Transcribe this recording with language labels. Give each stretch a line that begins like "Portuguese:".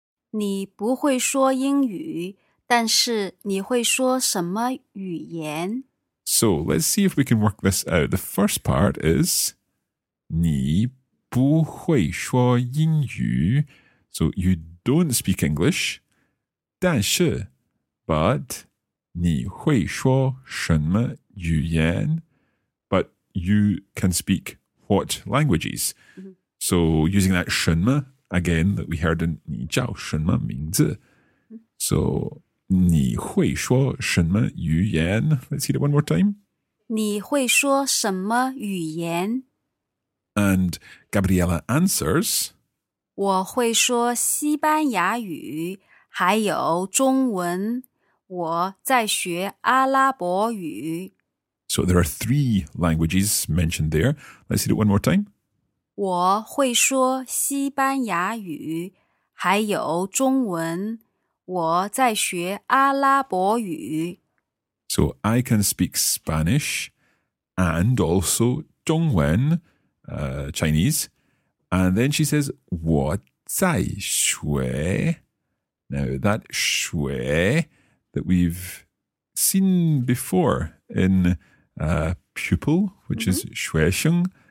Chinese: 你不会说英语,但是你会说什么语言?
English: So let's see if we can work this out. The first part is,
Chinese: 你不会说英语。
English: So you don't speak English, 但是, but,
Chinese: 你会说什么语言?
English: But you can speak what languages? So using that 什么, again, that we heard in
Chinese: 你叫什么名字?
English: So
Chinese: 你会说什么语言?
English: Let's hear it one more time.
Chinese: 你会说什么语言?
English: And Gabriella answers,
Chinese: 我会说西班牙语,还有中文。我在学阿拉伯语。
English: So there are three languages mentioned there. Let's hear it one more time.
Chinese: 我会说西班牙语,还有中文。我在学阿拉伯语。
English: So I can speak Spanish and also 中文, Chinese. And then she says,
Chinese: 我在学.
English: Now that 学 that we've seen before in pupil, which is 学生.